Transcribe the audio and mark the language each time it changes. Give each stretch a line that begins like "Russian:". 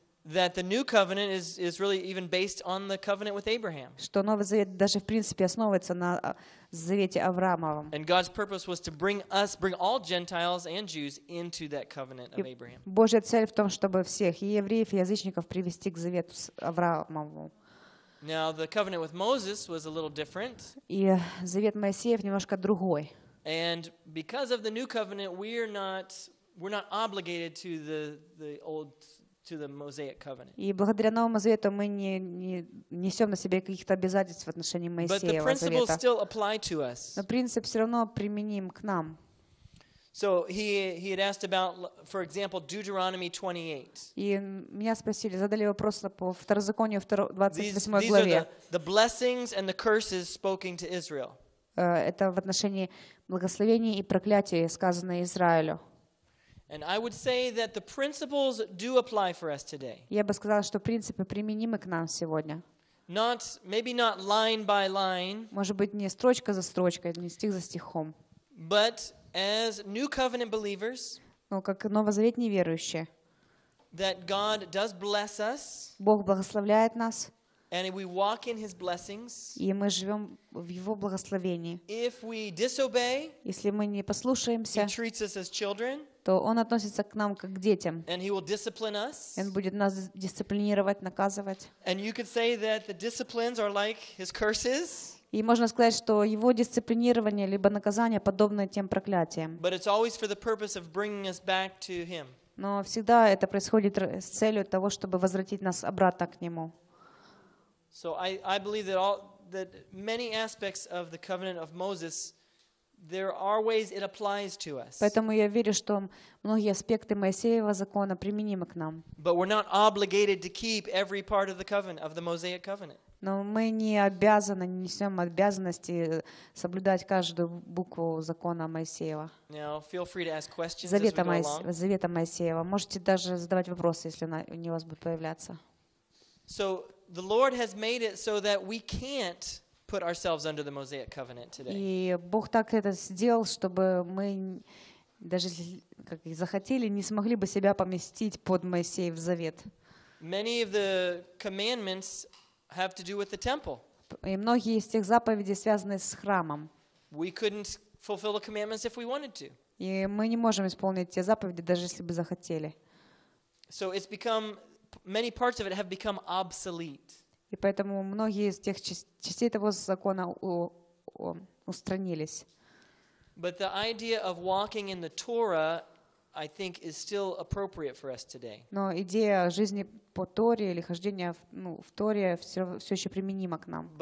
English: That the new covenant is really even based on the covenant with Abraham.
Russian: Что новый завет даже в принципе основывается на завете Авраамовом.
English: And God's purpose was to bring all Gentiles and Jews into that covenant of Abraham.
Russian: Божья цель в том, чтобы всех и евреев и язычников привести к завету Авраамову.
English: Now the covenant with Moses was a little different.
Russian: И завет Моисеев немножко другой.
English: And because of the new covenant, we're not obligated to the old. To the Mosaic covenant.
Russian: И благодаря Новому Завету мы не несем на себе каких-то обязательств в отношении Моисеева Завета.
English: But the principles still apply to us.
Russian: Но принцип все равно применим к нам.
English: So he had asked about, for example, Deuteronomy 28.
Russian: И меня спросили, задали вопрос по Второзаконию 28 главе.
English: These are the blessings and the curses spoken to Israel.
Russian: Это в отношении благословений и проклятий, сказанные Израилю.
English: And I would say that the principles do apply for us today.
Russian: Я бы сказала, что принципы применимы к нам сегодня.
English: Not maybe not line by line.
Russian: Может быть не строчка за строчкой, не стих за стихом.
English: But as new covenant believers.
Russian: Но как новозаветные верующие.
English: That God does bless us.
Russian: Бог благословляет нас.
English: And we walk in his blessings.
Russian: И мы живём в его благословении.
English: If we disobey,
Russian: если мы не послушаемся,
English: he treats us as children.
Russian: То он относится к нам как к детям.
English: And he will discipline us.
Russian: Он будет нас дисциплинировать, наказывать.
English: And you could say that the disciplines are like his curses.
Russian: И можно сказать, что его дисциплинирование либо наказание подобно тем проклятиям.
English: But it's always for the purpose of bringing us back to him.
Russian: Но всегда это происходит с целью того, чтобы возвратить нас обратно к нему.
English: So I believe that all that many aspects of the covenant of Moses, there are ways it applies to us.
Russian: Поэтому я верю, что многие аспекты Моисеева закона применимы к нам.
English: But we're not obligated to keep every part of the covenant of the Mosaic covenant.
Russian: Но мы не обязаны, не несем обязанности соблюдать каждую букву закона Моисеева.
English: Now feel free to ask questions.
Russian: Завета Моисеева. Можете даже задавать вопросы, если у вас будут появляться.
English: So the Lord has made it so that we can't put ourselves under the Mosaic covenant today.
Russian: И Бог так это сделал, чтобы мы даже как и захотели, не смогли бы себя поместить под Моисеев завет.
English: Many of the commandments have to do with the temple.
Russian: И многие из тех заповедей связаны с храмом.
English: We couldn't fulfill the commandments if we wanted to.
Russian: И мы не можем исполнить те заповеди, даже если бы захотели.
English: So it's become many parts of it have become obsolete.
Russian: И поэтому многие из тех частей этого закона устранились.
English: But the idea of walking in the Torah, I think, is still appropriate for us today.
Russian: Но идея жизни по Торе или хождения в Торе все еще применима к нам.